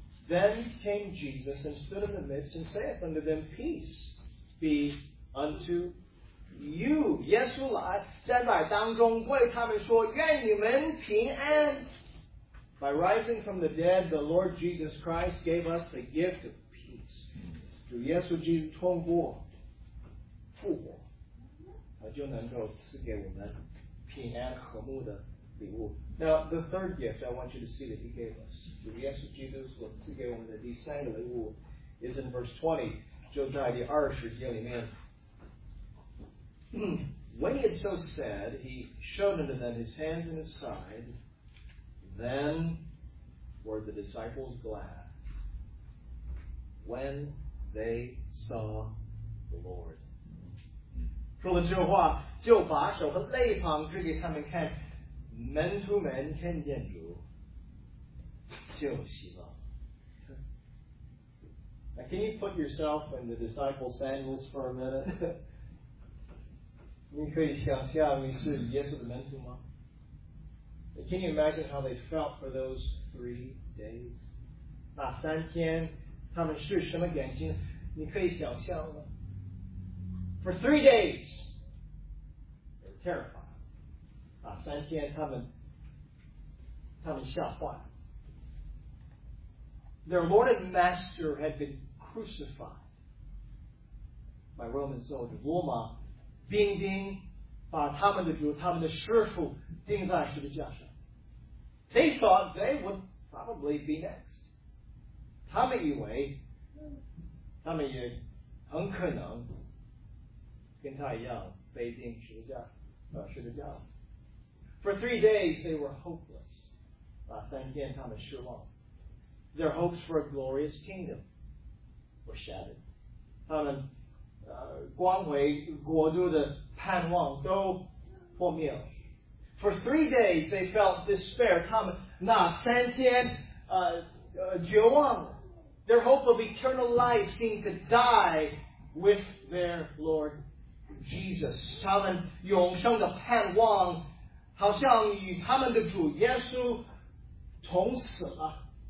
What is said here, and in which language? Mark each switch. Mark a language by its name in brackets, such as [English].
[English] Then came Jesus and stood in the midst and saith unto them, Peace be unto you. [Chinese] 耶稣来站在当中为他们说，愿你们平安。 [English] By rising from the dead, the Lord Jesus Christ gave us the gift of Now, the third gift I want you to see that he gave us, is in verse 20, [Chinese] 就在第二十节里面。 [English] When he had so said, he showed unto them his hands and his side. Then were the disciples glad when they saw the Lord. [Chinese] 说了这话，就把手和肋旁指给他们看，门徒们看见主，就喜乐。 [English] Now, can you put yourself in the disciples' sandals for a minute? [Chinese] 你可以想象你是耶稣的门徒吗？ [English] Can you imagine how they felt for those 3 days? [Chinese] 那三天。他们是什么眼睛，你可以想象吗？ [English] For 3 days, they're terrified. [Chinese] 啊，三天他们吓坏了。 [English] Their Lord and Master had been crucified by Roman soldiers. [Chinese] 罗马兵丁把他们的主，他们的师傅钉在十字架上。 [English] They thought they would probably be next. [Chinese] 他们以为他们也很可能跟他一样被钉十字架，十字架。 [English] For 3 days they were hopeless. [Chinese] 把三天他们失望。 [English] Their hopes for a glorious kingdom were shattered. [Chinese] 他们光辉国度的盼望都破灭了。 [English] For 3 days they felt despair. [Chinese] 他们那三天绝望了。 [English] Their hope of eternal life seemed to die with their Lord Jesus. [Chinese] 他们永生的盼望好像与他们的主耶稣同死了。